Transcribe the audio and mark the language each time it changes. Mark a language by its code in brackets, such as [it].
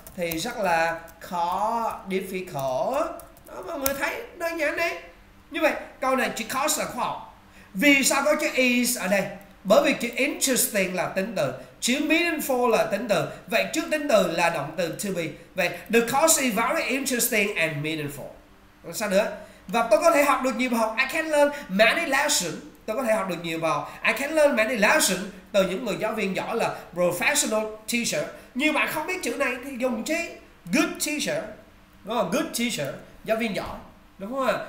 [vi] Thì rất là khó, difficult. Đó, mọi người thấy đơn giản đấy. Như vậy, câu này chỉ khó sợ khoa học. Vì sao có chữ is ở đây? Bởi vì chữ interesting là tính từ, chữ meaningful là tính từ. Vậy trước tính từ là động từ to be. Vậy [en] the course is very interesting and meaningful. [vi] Còn sao nữa? Và tôi có thể học được nhiều bài học. [en] I can learn many lessons. [vi] Tôi có thể học được nhiều bài học. [en] I can learn many lessons [vi] từ những người giáo viên giỏi là [en] professional teacher. [vi] Nhiều bạn không biết chữ này thì dùng chứ. [en] Good teacher. [vi] Đúng không? Good teacher. Giáo viên giỏi. Đúng không ạ?